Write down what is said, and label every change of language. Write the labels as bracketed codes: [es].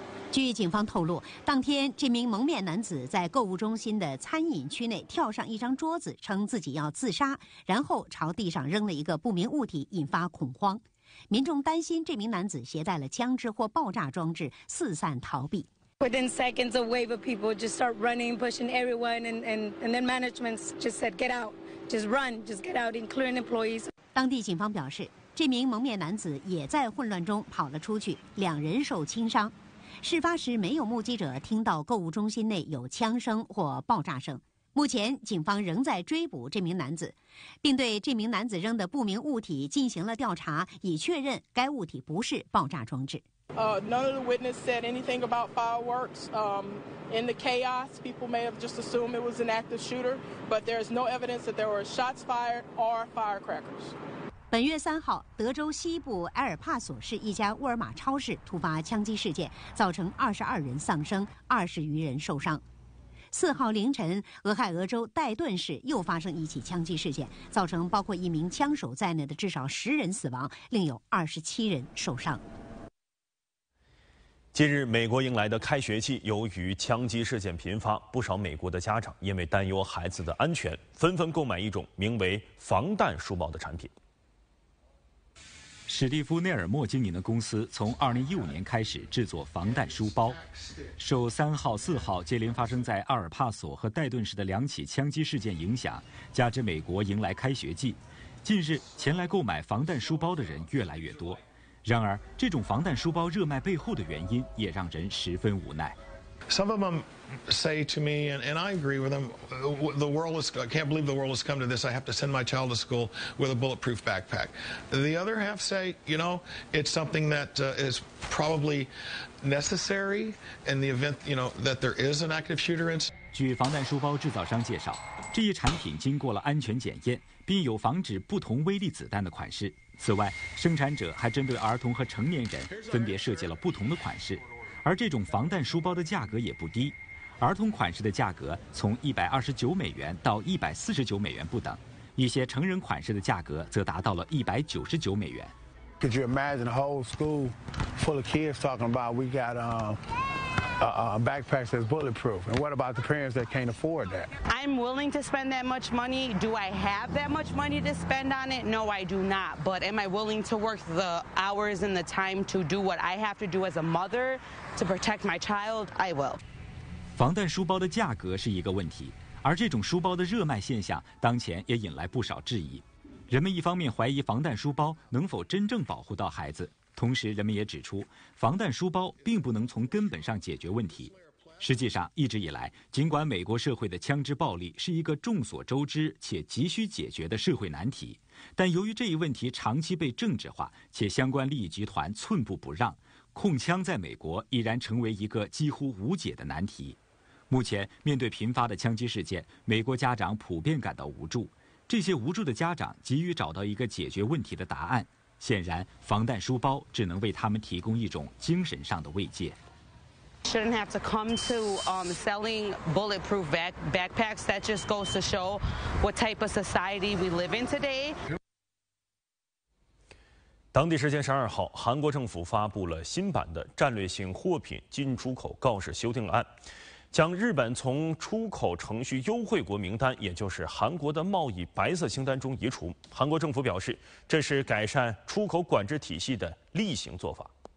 [zh] 据警方透露，当天这名蒙面男子在购物中心的餐饮区内跳上一张桌子，称自己要自杀，然后朝地上扔了一个不明物体，引发恐慌。民众担心这名男子携带了枪支或爆炸装置，四散逃避。 [en] Within seconds, a wave of people just start running, pushing everyone, and then management just said, "Get out, just run, just get out," including employees. [zh] 当地警方表示，这名蒙面男子也在混乱中跑了出去，两人受轻伤。事发时没有目击者听到购物中心内有枪声或爆炸声。目前警方仍在追捕这名男子，并对这名男子扔的不明物体进行了调查，以确认该物体不是爆炸装置。 [en] None of the witnesses said anything about fireworks. In the chaos, people may have just assumed it was an active shooter, but there is no evidence that there were shots fired or firecrackers. [zh] 本月3号，德州西部埃尔帕索市一家沃尔玛超市突发枪击事件，造成22人丧生，20余人受伤。 4号凌晨，俄亥俄州戴顿市又发生一起枪击事件，造成包括一名枪手在内的至少10人死亡，另有27人受伤。近日，美国迎来的开学季，由于枪击事件频发，不少美国的家长因为担忧孩子的安全，纷纷购买一种名为防弹书包的产品。史蒂夫·内尔默经营的公司从2015年开始制作防弹书包。受3号、4号接连发生在阿尔帕索和戴顿市的两起枪击事件影响，加之美国迎来开学季，近日前来购买防弹书包的人越来越多。然而，这种防弹书包热卖背后的原因也让人十分无奈。 [en] Some of them say to me, and I agree with them, the world is, I can't believe the world has come to this. I have to send my child to school with a bulletproof backpack. The other half say, you know, it's something that is probably necessary in the event, you know, that there is an active shooter incident. [zh] 据防弹书包制造商介绍，这一产品经过了安全检验，并有防止不同威力子弹的款式。此外，生产者还针对儿童和成年人分别设计了不同的款式。而这种防弹书包的价格也不低，儿童款式的价格从129美元到149美元不等，一些成人款式的价格则达到了199美元。 [en] Could you imagine a whole school full of kids talking about we got backpacks that's bulletproof? And what about the parents that can't afford that? I'm willing to spend that much money. Do I have that much money to spend on it? No, I do not. But am I willing to work the hours and the time to do what I have to do as a mother to protect my child? I will. [zh] 防弹书包的价格是一个问题，而这种书包的热卖现象当前也引来不少质疑。人们一方面怀疑防弹书包能否真正保护到孩子，同时人们也指出，防弹书包并不能从根本上解决问题。实际上，一直以来，尽管美国社会的枪支暴力是一个众所周知且急需解决的社会难题，但由于这一问题长期被政治化，且相关利益集团寸步不让，控枪在美国依然成为一个几乎无解的难题。目前，面对频发的枪击事件，美国家长普遍感到无助。这些无助的家长急于找到一个解决问题的答案，显然防弹书包只能为他们提供一种精神上的慰藉。 [en] Shouldn't have to come to selling bulletproof backpacks. That just goes to show what type of society we live in today. [zh] 当地时间12号，韩国政府发布了新版的战略性货品进出口告示修订案。将日本从出口程序优惠国名单，也就是韩国的贸易白色清单中移除。韩国政府表示，这是改善出口管制体系的例行做法。